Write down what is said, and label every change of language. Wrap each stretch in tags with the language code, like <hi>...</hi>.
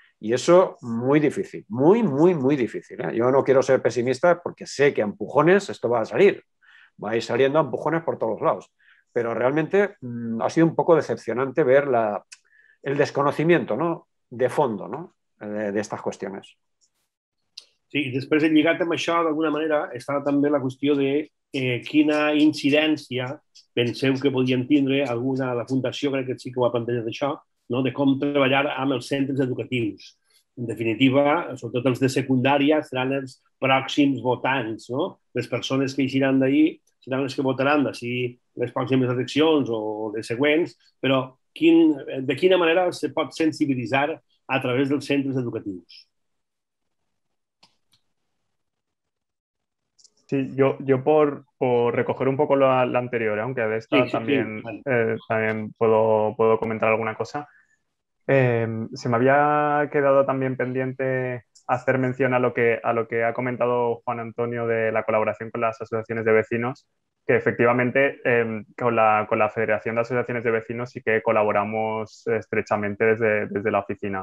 <es>Y eso muy difícil, muy, muy, muy difícil, ¿eh? Yo no quiero ser pesimista porque sé que a empujones esto va a salir. Va a ir saliendo a empujones por todos lados. Pero realmente ha sido un poco decepcionante ver el desconocimiento, ¿no?, de fondo, ¿no?, de estas cuestiones.</es> <ca>Sí, i després, lligat amb això, d'alguna manera, està també la qüestió de quina incidència penseu que podien tindre alguna, la Fundació crec que sí que ho ha plantejat això, no?, de com treballar amb els centres educatius. En definitiva, sobretot els de secundària seran els pròxims votants, no?, les persones que eixiran d'ahir seran les que votaran d'ací les pròximes eleccions o les següents, però de quina manera se pot sensibilitzar a través dels centres educatius?</ca> <es>Sí, yo por recoger un poco la anterior, aunque de esta también puedo comentar alguna cosa. Se me había quedado también pendiente hacer mención a lo que ha comentado Juan Antonio de la colaboración con las asociaciones de vecinos, que efectivamente con la Federación de Asociaciones de Vecinos sí que colaboramos estrechamente desde la oficina.</es>